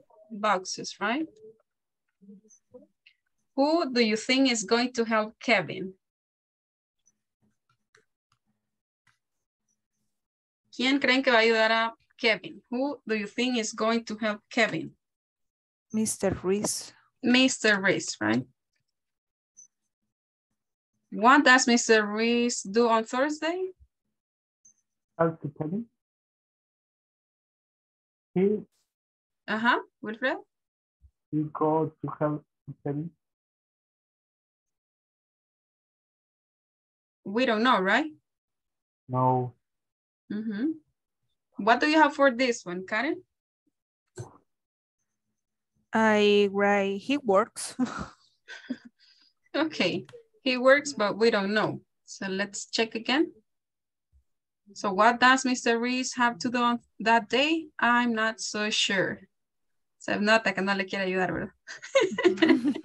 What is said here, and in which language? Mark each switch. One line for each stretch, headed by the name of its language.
English: Boxes, right? Who do you think is going to help Kevin?
Spanish: ¿Quién creen que va a ayudar a Kevin?
English: Who do you think is going to help Kevin? Mr. Reese, right? What does Mr. Reese do on Thursday? Help to Kevin. Wilfred? He go to help to Kevin. We don't know, right? No. Mm-hmm. What do you have for this one, Karen? He works. Okay. He works, but we don't know. So let's check again. So what does Mr. Reese have to do on that day? I'm not so sure.
Spanish: Se nota que no le quiere ayudar, ¿verdad?